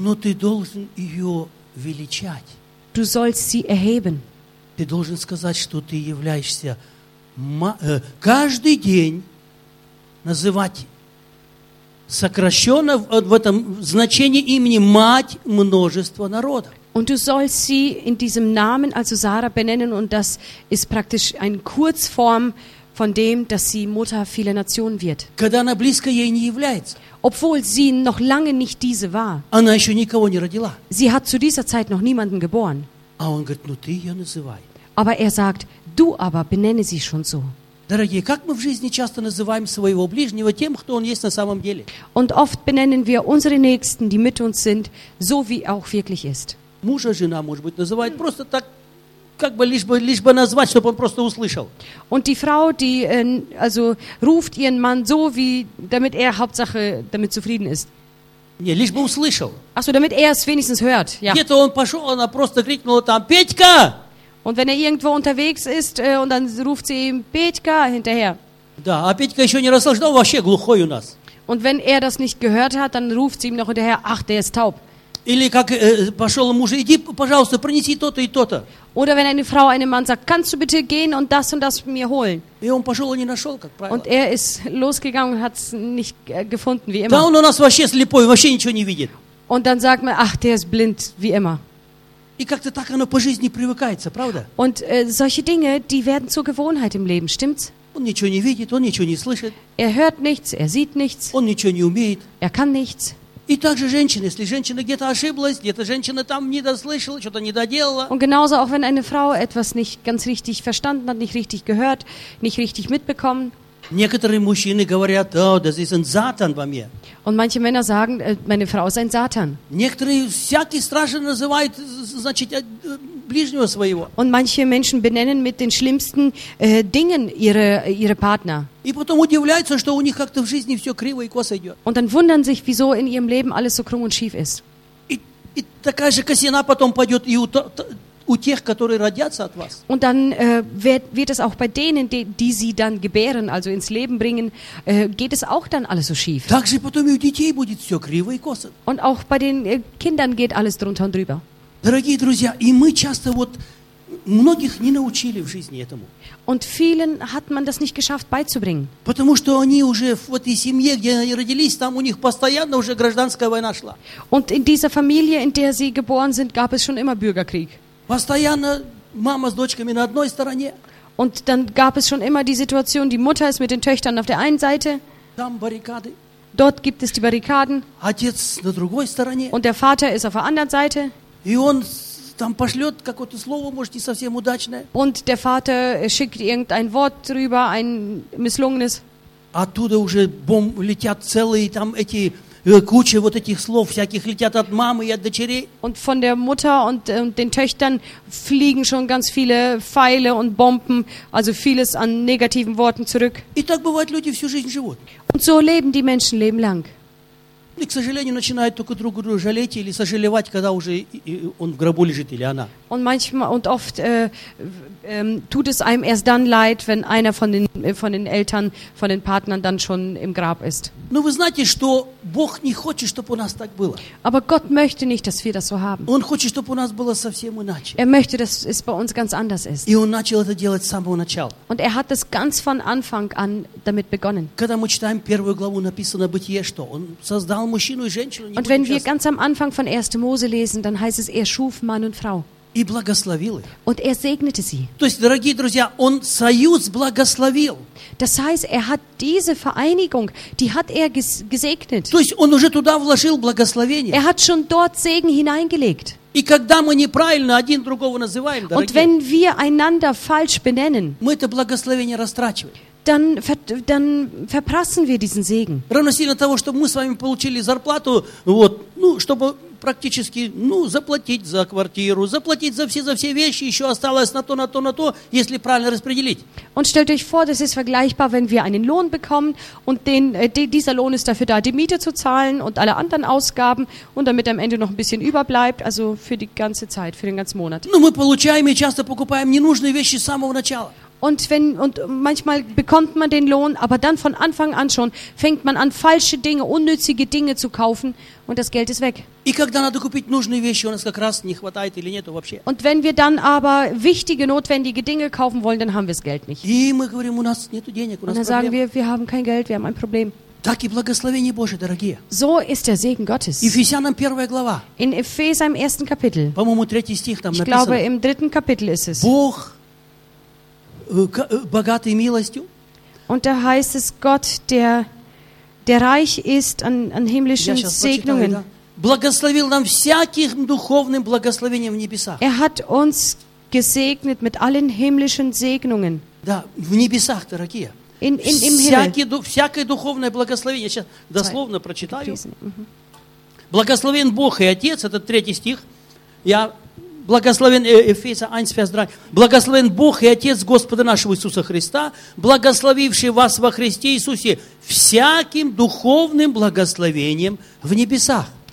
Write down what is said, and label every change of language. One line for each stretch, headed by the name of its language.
Russian: Но ты должен её величать.
German: Du sollst sie erheben.
Russian: Ты должен сказать, что ты являешься каждый день называть сокращённо в этом значении имени мать множества народов.
German: Und du sollst sie in diesem Namen, also Sarah, benennen, und das ist praktisch eine Kurzform von dem, dass sie Mutter vieler Nationen wird.
Russian: Когда она близко ей не является.
German: Obwohl sie noch lange nicht diese war.
Russian: Она ещё никого не родила.
German: Sie hat zu dieser Zeit noch niemanden geboren.
Russian: А он говорит, ну ты её называй.
German: Aber er sagt, du aber benenne sie schon so.
Russian: Дорогие, как мы в жизни часто называем своего ближнего тем, кто он есть на самом деле?
German: Und oft benennen wir unsere Nächsten, die mit uns sind, so wie er auch wirklich ist.
Russian: Мужа, жена, может быть, называет просто так, как бы лишь бы назвать, чтобы он просто услышал.
German: Und die Frau, die also ruft ihren Mann so, wie damit er Hauptsache damit zufrieden ist.
Russian: Не, лишь бы услышал.
German: Ach so, damit er es wenigstens hört. Ja.
Russian: Где-то он пошел, она просто крикнула там: Петька!
German: Und wenn er irgendwo unterwegs ist und dann ruft sie ihm Петька hinterher.
Russian: Да, а Петька еще не расслышал, вообще глухой у нас.
German: Und wenn er das nicht gehört hat, dann ruft sie ihm noch hinterher: Ach, der ist taub.
Russian: Или как пошел муж, иди, пожалуйста, принеси то-то и то-то.
German: Oder wenn eine Frau einem Mann sagt, kannst du bitte gehen und das mir holen?
Russian: И он пошел и не нашел, как правило.
German: Und er ist losgegangen und hat es nicht gefunden, wie immer.
Russian: Да, он у нас вообще слепой, вообще ничего не видит.
German: Und dann sagt man, ach, der ist blind, wie immer.
Russian: И как-то так оно по жизни привыкается, правда?
German: Und solche Dinge, die werden zur Gewohnheit im Leben, stimmt's?
Russian: Он ничего не видит, он ничего не слышит.
German: Er hört nichts, er sieht nichts.
Russian: Он ничего не умеет.
German: Er kann nichts.
Russian: И также женщина, если женщина где-то ошиблась, где-то женщина там не дослышала, что-то не доделала.
German: Und genauso auch wenn eine Frau etwas nicht ganz richtig verstanden hat, nicht richtig gehört, nicht richtig mitbekommen.
Russian: Некоторые мужчины говорят:
German: "О, das ist ein Satan bei mir." Und manche Männer sagen, meine Frau ist ein Satan.
Russian: Некоторые всякие страшно называют, значит, ближнего своего.
German: Und manche Menschen benennen mit den schlimmsten Dingen ihre Partner.
Russian: И потом удивляются, что у них как-то в жизни всё криво и косо идёт.
German: Und dann wundern sich, wieso in ihrem Leben alles so krumm und schief ist.
Russian: И такая же косина потом пойдёт и у тех, которые родятся от вас.
German: Und dann wird es auch bei denen, die sie dann gebären, also ins Leben bringen, geht es auch dann alles so schief.
Russian: Также потом и у детей будет всё криво и косо.
German: Und auch bei den Kindern geht alles drunter und drüber.
Russian: Дорогие друзья, и мы часто вот многих не научили в жизни этому.
German: Und vielen hat man das nicht geschafft beizubringen.
Russian: Потому что они уже в этой семье, где они родились, там у них постоянно уже гражданская война шла.
German: Und in dieser Familie, in der sie geboren sind, gab es schon immer Bürgerkrieg.
Russian: Постоянно мама с дочками на одной стороне.
German: Und dann gab es schon immer die Situation, die Mutter ist mit den Töchtern auf der einen Seite.
Russian: Там баррикады.
German: Dort gibt es die Barrikaden.
Russian: Отец на другой стороне.
German: Und der Vater ist auf der anderen Seite.
Russian: И он там пошлёт какое-то слово, может, не совсем удачное.
German: Und der Vater schickt irgendein Wort drüber, ein misslungenes.
Russian: Оттуда уже бомбы летят целые, там эти куча вот этих слов всяких летят от мамы и от дочерей.
German: Und von der Mutter und den Töchtern fliegen schon ganz viele Pfeile und Bomben, also vieles an negativen Worten zurück.
Russian: И так бывает, люди всю жизнь живут.
German: Und so leben die Menschen leben lang.
Russian: И, к сожалению, начинают только друг друга жалеть или сожалевать, когда уже он в гробу лежит или она.
German: Und manchmal und oft tut es einem erst dann leid, wenn einer von den Eltern, von den Partnern dann schon im Grab ist.
Russian: Но вы знаете, что Бог не хочет, чтобы у нас так было.
German: Aber Gott möchte nicht, dass wir das so haben.
Russian: Он хочет, чтобы у нас было совсем иначе.
German: Er möchte, dass es bei uns ganz anders ist.
Russian: И он начал это делать с самого начала.
German: Und er hat es ganz von Anfang an damit begonnen.
Russian: Когда мы читаем первую главу, написано Бытие, что он создал мужчину и женщину.
German: Und wenn wir ganz am Anfang von 1. Mose lesen, dann heißt es, er schuf Mann und Frau.
Russian: И благословил их.
German: Und er segnete sie.
Russian: То есть, дорогие друзья, он союз благословил.
German: Das heißt, er hat diese Vereinigung, die hat er gesegnet.
Russian: То есть, он уже туда вложил благословение.
German: Er hat schon dort Segen hineingelegt.
Russian: И когда мы неправильно один другого называем, дорогие.
German: Und wenn wir einander falsch benennen.
Russian: Мы это благословение растрачиваем.
German: Dann verprassen wir diesen Segen.
Russian: Равно сильно того, чтобы мы с вами получили зарплату, вот, ну, чтобы практически, ну, заплатить за квартиру, заплатить за все вещи, еще осталось на то, если правильно распределить.
German: Und stellt euch vor, das ist vergleichbar, wenn wir einen Lohn bekommen und dieser Lohn ist dafür da, die Miete zu zahlen und alle anderen Ausgaben und damit am Ende noch ein bisschen überbleibt, also für die ganze Zeit, für den ganzen Monat.
Russian: Ну, мы получаем и часто покупаем ненужные вещи с самого начала.
German: Und wenn und manchmal bekommt man den Lohn, aber dann von Anfang an schon fängt man an falsche Dinge, unnützige Dinge zu kaufen und das Geld ist weg.
Russian: И когда надо купить нужные вещи, у нас как раз не хватает или нету вообще.
German: Und wenn wir dann aber wichtige, notwendige Dinge kaufen wollen, dann haben wir das Geld nicht.
Russian: И мы говорим, у нас нету денег, у нас проблема.
German: Dann sagen wir, wir haben kein Geld, wir haben ein Problem.
Russian: Так и благословение Божие, дорогие.
German: So ist der Segen Gottes.
Russian: Ephesians 1. глава.
German: In Ephesians im 1. Kapitel.
Russian: По-моему, 3. стих там
German: ich
Russian: написано.
German: Ich glaube, im 3. Kapitel ist es.
Russian: Бог богатой милостью.
German: Und da heißt es Gott, der reich ist an himmlischen Segnungen.
Russian: Благословил нам всяким духовным благословением в небесах.
German: Er hat uns gesegnet mit allen himmlischen Segnungen.
Russian: Да, в небесах, дорогие.
German: In
Russian: всякое духовное благословение. Я сейчас дословно прочитаю. Благословен Бог и Отец, это 3. стих. Я благословен Ефесянам 1:3. Благословен Бог и Отец Господа нашего Иисуса Христа, благословивший вас во Христе Иисусе всяким духовным благословением в небесах.